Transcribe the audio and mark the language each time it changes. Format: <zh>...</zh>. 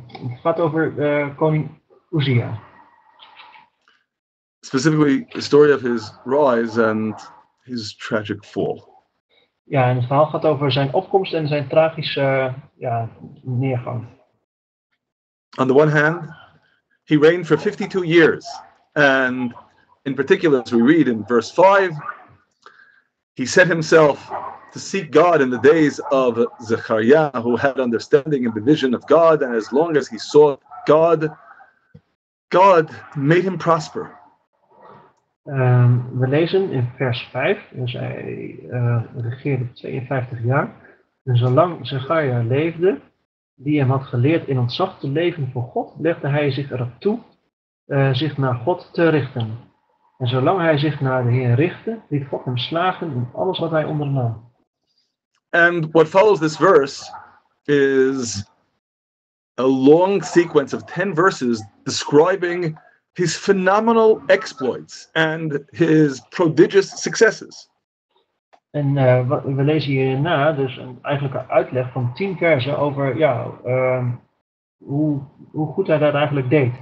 <nl>Het gaat over koning Uzziah.</nl> <en>Specifically, the story of his rise and his tragic fall.</en> <nl>Ja, en het verhaal gaat over zijn opkomst en zijn tragische neergang.</nl> <en>On the one hand, he reigned for 52 years. And in particular, as we read in verse 5, he set himself to seek God in the days of Zechariah, who had understanding and the vision of God. And as long as he sought God, God made him prosper.</en> <nl>We lezen in vers 5, dus hij regeerde 52 jaar. En zolang Zechariah leefde, die hem had geleerd in ontzag te leven voor God, legde hij zich erop toe zich naar God te richten. En zolang hij zich naar de Heer richtte, liet God hem slagen in alles wat hij ondernam.</nl> <en>And what follows this verse is a long sequence of 10 verses describing his phenomenal exploits and his prodigious successes.</en> <nl>En we lezen hierna dus eigenlijk een uitleg van 10 versen over ja, hoe goed hij dat eigenlijk deed.</nl>